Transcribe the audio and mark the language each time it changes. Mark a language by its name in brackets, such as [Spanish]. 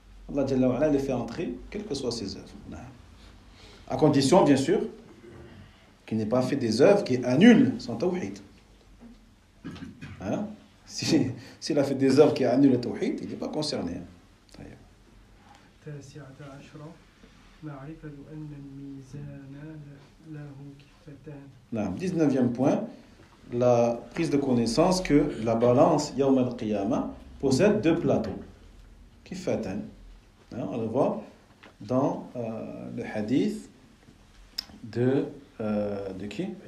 [French] Allah jalla wa ala le fait entrer, quelles que soient ses œuvres. À condition, bien sûr, qu'il n'ait pas fait des œuvres qui annulent son tawhid. S'il a fait des œuvres qui annulent le tawhid, il n'est pas concerné. [Arabic] التاسعة عشرة معرفة أن الميزان له كفتان. [French] نعم 19e point, la prise de connaissance que la balance [Arabic] يوم القيامة [French] possède deux plateaux. [Arabic] كفتان. [French] On le voit dans le hadith de qui?